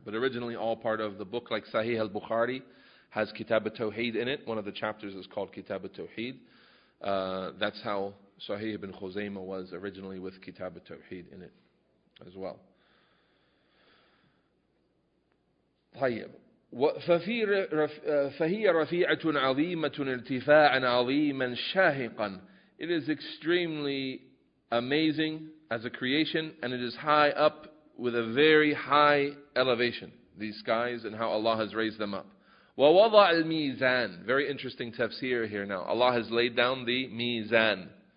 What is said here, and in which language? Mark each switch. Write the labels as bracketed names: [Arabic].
[English] But originally all part of the book, like Sahih al-Bukhari, has Kitab al-Tawheed in it. One of the chapters is called Kitab al-Tawheed. That's how Sahih ibn Khuzaymah was originally, with Kitab al-Tawheed in it as well. طيب. [Arabic] فهي رفيعة عظيمة ارتفاعا عظيما شاهقا. [English] It is extremely amazing as a creation, and it is high up with a very high elevation, these skies and how Allah has raised them up. [Arabic] ووضع الميزان. [English] Very interesting tafsir here now. Allah has laid down the ميزان.